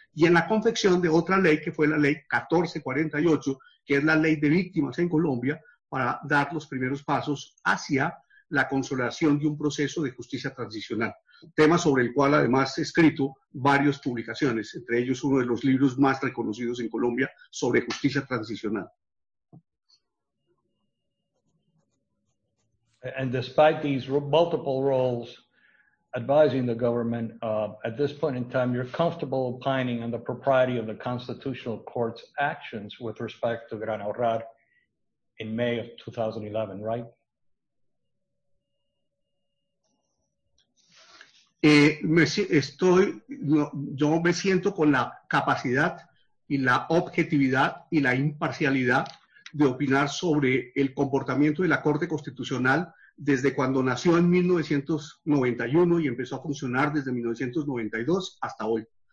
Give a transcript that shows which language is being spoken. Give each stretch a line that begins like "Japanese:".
Spanish: Y en la confección de otra ley, que fue la ley 1448, que es la ley de víctimas en Colombia, para dar los primeros pasos hacia la consolidación de un proceso de justicia transicional. Tema sobre el cual además he escrito varias publicaciones, entre ellos uno de los libros más reconocidos en Colombia sobre justicia transicional.
English: And despite these multiple roles advising the government, at this point in time, you're comfortable opining on the propriety of the Constitutional Court's actions with respect to Gran Ahorrar in May of 2011, right?
Spanish: Yo me siento con la capacidad y la objetividad y la imparcialidad de opinar sobre el comportamiento de la Corte Constitucional desde cuando nació en 1991 y empezó a funcionar desde 1992 hasta hoy.